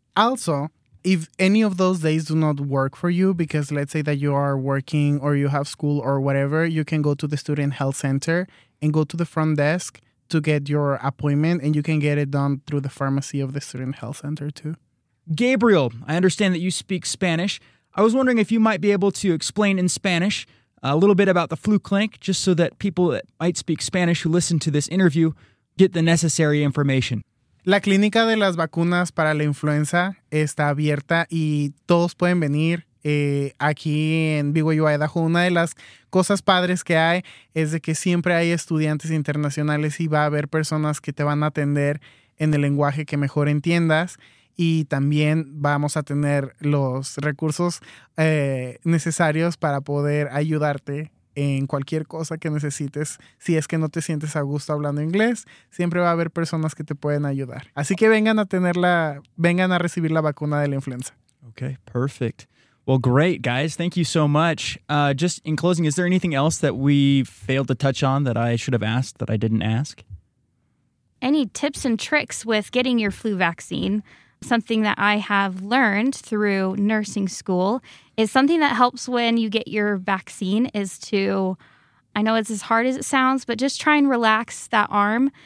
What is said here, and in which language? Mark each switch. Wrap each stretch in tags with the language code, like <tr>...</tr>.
<en>Also, if any of those days do not work for you, because let's say that you are working or you have school or whatever, you can go to the Student Health Center and go to the front desk to get your appointment, and you can get it done through the pharmacy of the Student Health Center too. Gabriel, I understand that you speak Spanish. I was wondering if you might be able to explain in Spanish a little bit about the flu clinic, just so that people that might speak Spanish who listen to this interview get the necessary information.</en> <es>La clínica de las vacunas para la influenza está abierta y todos pueden venir. Aquí en BYU-Idaho, una de las cosas padres que hay es de que siempre hay estudiantes internacionales y va a haber personas que te van a atender en el lenguaje que mejor entiendas, y también vamos a tener los recursos necesarios para poder ayudarte en cualquier cosa que necesites. Si es que no te sientes a gusto hablando inglés, siempre va a haber personas que te pueden ayudar. Así que vengan a recibir la vacuna de la influenza.</es> <en>Okay, perfect. Well, great, guys. Thank you so much. Just in closing, is there anything else that we failed to touch on that I should have asked that I didn't ask? Any tips and tricks with getting your flu vaccine? Something that I have learned through nursing school is something that helps when you get your vaccine is to, I know it's as hard as it sounds, but just try and relax that arm.</en>